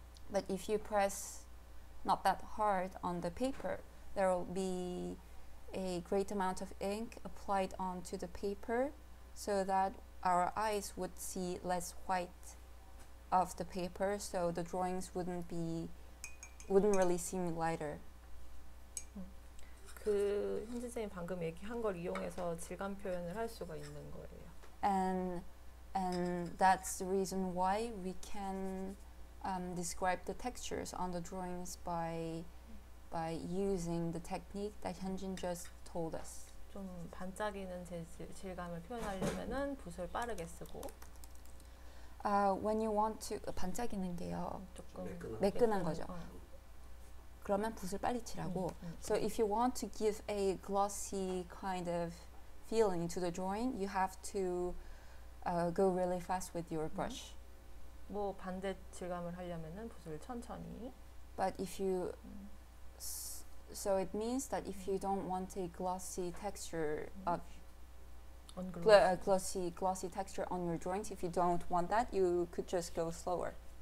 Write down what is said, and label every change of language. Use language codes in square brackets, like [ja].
[en] But if you press not that hard on the paper, there will be a great amount of ink applied onto the paper so that our eyes would see less white of the paper, so the drawings wouldn't really seem lighter. [ko] 그 현진 쌤이 방금 얘기한 걸 이용해서 질감 표현을 할 수가 있는 거예요. [en] And that's the reason why we can describe the textures on the drawings by using the technique that Hyunjin just told us. [ko] 좀 반짝이는 질감을 표현하려면은 붓을 빠르게 쓰고 [en] when you want to [ko] 반짝이는 게요. 조금 매끈한 거죠. 어. 그러면 붓을 빨리 칠하고 [en] So if you want to give a glossy kind of feeling to the drawing you have to go really fast with your brush [ko] 뭐 반대 질감을 하려면은 붓을 천천히 [en] But if you So it means that if you don't want a glossy texture of glossy texture on your drawings if you don't want that you could just go slower